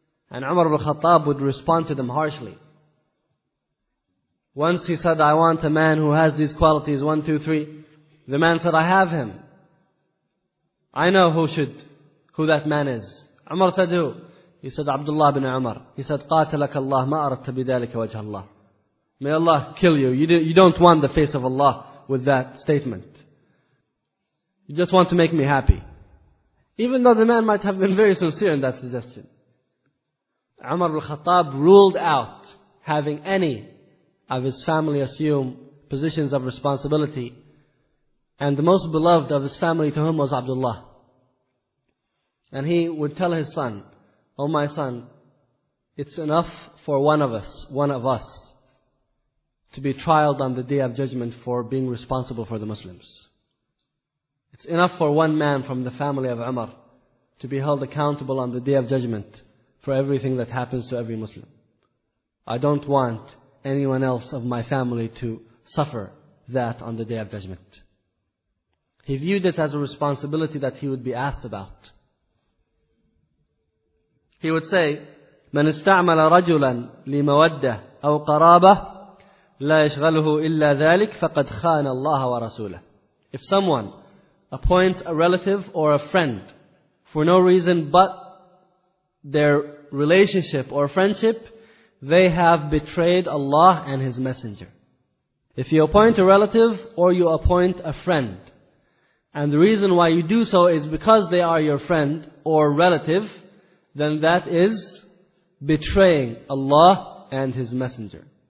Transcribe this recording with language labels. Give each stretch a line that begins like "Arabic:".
English: And Umar ibn Khattab would respond to them harshly. Once he said, I want a man who has these qualities, 1, 2, 3... The man said, I have him. I know who that man is. Umar said, who? He said, Abdullah ibn Umar. He said,
Arabic: قاتلك الله ما أردت بذلك وجه الله.
English: May Allah kill you. You don't want the face of Allah with that statement. You just want to make me happy. Even though the man might have been very sincere in that suggestion. Umar al-Khattab ruled out having any of his family assume positions of responsibility. And the most beloved of his family to him was Abdullah. And he would tell his son, oh my son, it's enough for one of us, to be trialed on the Day of Judgment for being responsible for the Muslims. It's enough for one man from the family of Umar to be held accountable on the Day of Judgment for everything that happens to every Muslim. I don't want anyone else of my family to suffer that on the Day of Judgment. He viewed it as a responsibility that he would be asked about. He would say,
Arabic: من استعمل رجلا لمودة أو قرابة لا يشغله إلا ذلك فقد خان الله ورسوله.
English: If someone appoints a relative or a friend for no reason but their relationship or friendship, they have betrayed Allah and His Messenger. If you appoint a relative or you appoint a friend, and the reason why you do so is because they are your friend or relative, then that is betraying Allah and His Messenger.